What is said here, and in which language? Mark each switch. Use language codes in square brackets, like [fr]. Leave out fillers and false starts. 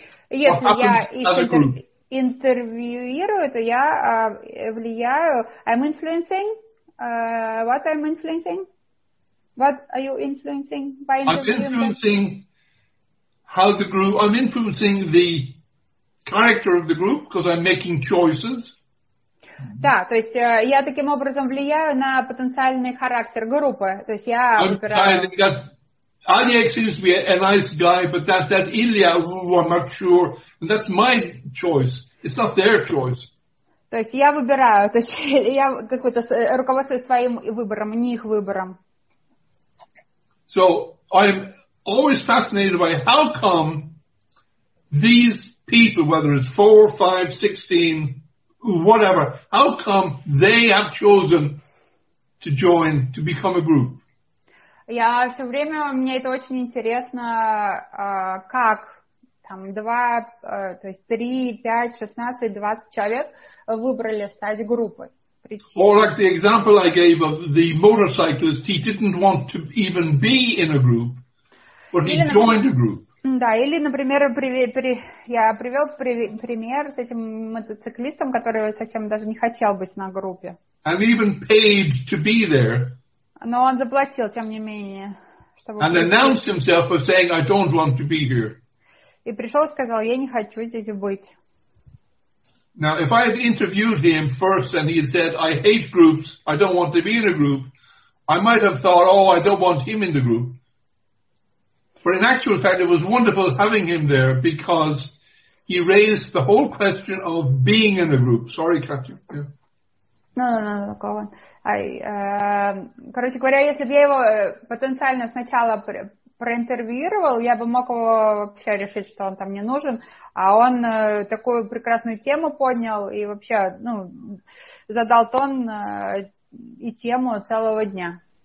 [ru] Если я интервьюирую, то я влияю. [en] I'm influencing. What I'm influencing? What are you influencing by interviewing? I'm influencing how the group. I'm influencing the character of the group because I'm making choices. [ru] Да, то есть я таким образом влияю на потенциальный характер группы. То есть я выбираю. [en] Alex seems to be a nice guy, but that Ilya, I'm not sure. That's my choice. It's not their choice. [ru] То есть я выбираю. То есть я какой-то руководствуюсь своим выбором, не их выбором. [en] So I'm always fascinated by how come these people, whether it's 4, 5, 16, whatever, how come they have chosen to join, to become a group? [ru] Я все время, мне это очень интересно, как там 2, то есть 3, 5, 16, 20 человек выбрали стать группой. [en] Or like the example I gave of the motorcyclist, he didn't want to even be in a group, but he joined a group. [ru] Да, или, например, я привел пример с этим мотоциклистом, который совсем даже не хотел быть на группе. [en] And even paid to be there. [ru] Но он заплатил, тем не менее. [en] And announced himself as saying, I don't want to be here. [ru] И пришел и сказал, я не хочу здесь быть. [en] Now, if I had interviewed him first and he had said, I hate groups, I don't want to be in a group, I might have thought, oh, I don't want him in the group. But in actual fact, it was wonderful having him there because he raised the whole question of being in a group. Sorry, Katya. Yeah. No, go on. [ru] Короче говоря, если бы я его потенциально сначала проинтервьюировал, я бы мог его вообще решить, что он там не нужен, а он такую прекрасную тему поднял и вообще, ну, задал тон и тему целого дня.